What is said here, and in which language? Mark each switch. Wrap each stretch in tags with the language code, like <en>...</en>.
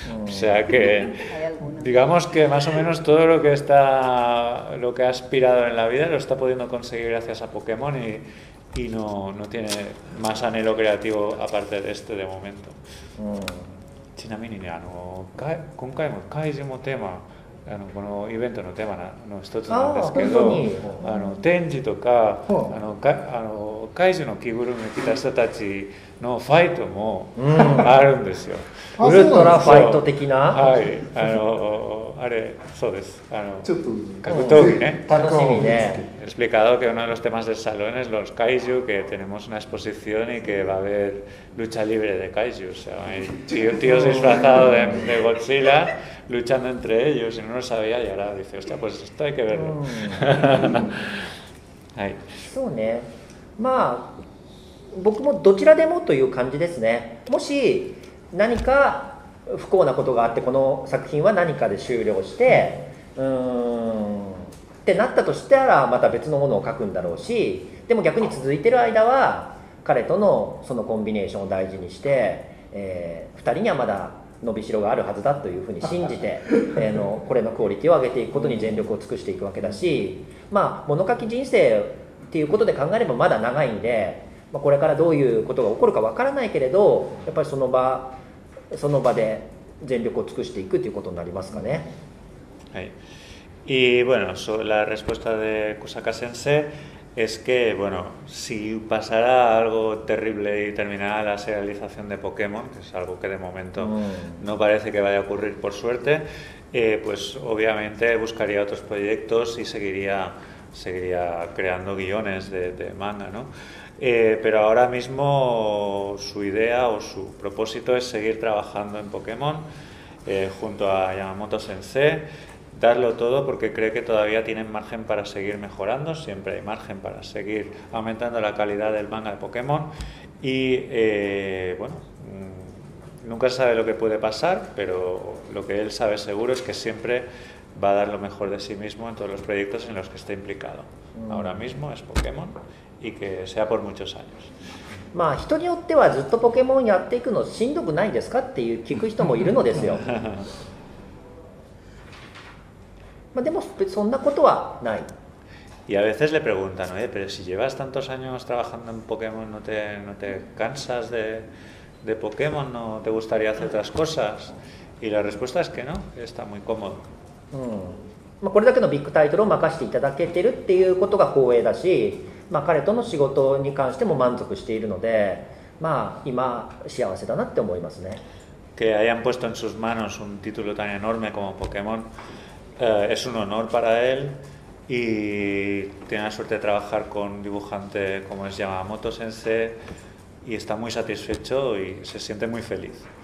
<es>O sea que, digamos que más o menos todo lo que ha aspirado en la vida lo está pudiendo conseguir gracias a Pokémon y no tiene más anhelo creativo aparte de este de momento.</es> <ja>ちなみにね、今回も怪獣もテーマあのこのイベントのテーマの一つなんですけど、あの展示とか、あのかあの怪獣の着ぐるみを着た人たちのファイトもあるんですよ。ウルトラファイト的な、はい、あのあれそうです、あのちょっと格闘技ね、楽しみね。</ja> <es>Explicado que uno de los temas del salón es los kaiju, que tenemos una exposición y que va a haber lucha libre de kaiju. O sea, hay tíos disfrazados de Godzilla luchando entre ellos y no lo sabía, y ahora dice, hostia, pues esto hay que verlo. Sí, Bueno, yo también de cualquiera de los dos. Si algo</es> <ja>不幸なことがあって、この作品は何かで終了して、ってなったとしたらまた別のものを描くんだろうし、でも逆に続いてる間は彼とのそのコンビネーションを大事にして、2人にはまだ伸びしろがあるはずだというふうに信じて、のこれのクオリティを上げていくことに全力を尽くしていくわけだし、まあ物書き人生っていうことで考えればまだ長いんで、まあ、これからどういうことが起こるかわからないけれど、やっぱりその場その場で全力を尽くしていくということになりますかね。はい。</ja> <es>Y bueno, la respuesta de Kusaka Sensei es que, bueno, si pasara algo terrible y terminara la serialización de Pokémon, que es algo que de momento no parece que vaya a ocurrir por suerte, pues obviamente buscaría otros proyectos y seguiría creando guiones de manga, ¿no? Pero ahora mismo su idea o su propósito es seguir trabajando en Pokémon junto a Yamamoto Sensei, darlo todo porque cree que todavía tienen margen para seguir mejorando, siempre hay margen para seguir aumentando la calidad del manga de Pokémon y bueno, nunca sabe lo que puede pasar, pero lo que él sabe seguro es que siempre va a dar lo mejor de sí mismo en todos los proyectos en los que esté implicado. Ahora mismo es Pokémon y que sea por muchos años.</es> <ja>まあ人によってはずっとポケモンやっていくのしんどくないですかっていう聞く人もいるのですよ。まあでもそんなことはない。</ja> <es>Y a veces le preguntan, oye, pero si llevas tantos años trabajando en Pokémon, no te cansas de Pokémon, no te gustaría hacer otras cosas? Y la respuesta es que no, está muy cómodo.</es> <ja>まあこれだけのビッグタイトルを任せていただけてるっていうことが光栄だし。まあ、彼との仕事に関しても満足しているので、まあ、今幸せだなって思いますね。</ja> <es>Que hayan puesto en sus manos un título tan enorme como Pokémon, es un honor para él y tiene la suerte de trabajar con un dibujante como es Yamamoto Sensei y está muy satisfecho y se siente muy feliz.</es>